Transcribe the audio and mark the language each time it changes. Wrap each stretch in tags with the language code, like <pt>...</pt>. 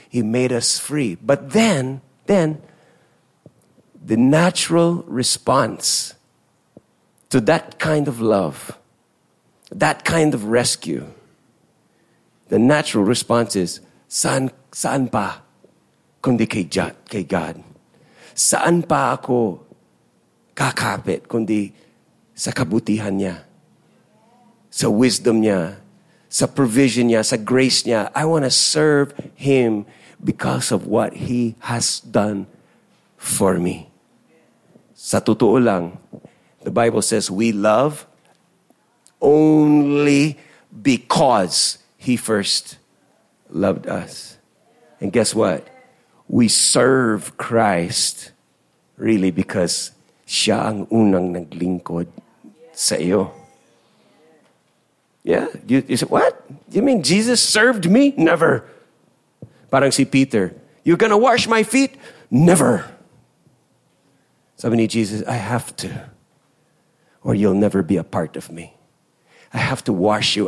<en>He made us free. But then, the natural response to that kind of love, that kind of rescue, the natural response is,</en> <tl>saan pa kundi kay God? Saan pa ako kakapit kundi sa kabutihan niya? sa wisdom niya, sa provision niya, sa grace niya.</tl> <en>I want to serve Him because of what He has done for me.</en> <tl>Sa totoo lang,</tl> <en>the Bible says we love only because He first loved us. And guess what? We serve Christ really because</en> <tl>Siya ang unang naglingkod sa iyo.</tl> <en>Yeah, you said, what? You mean Jesus served me? Never.</en> <tl>Parang si</tl> <en>Peter, you're gonna wash my feet? Never.</en> <tl>Sabi ni</tl> <en>Jesus, I have to, or you'll never be a part of me. I have to wash you.</en>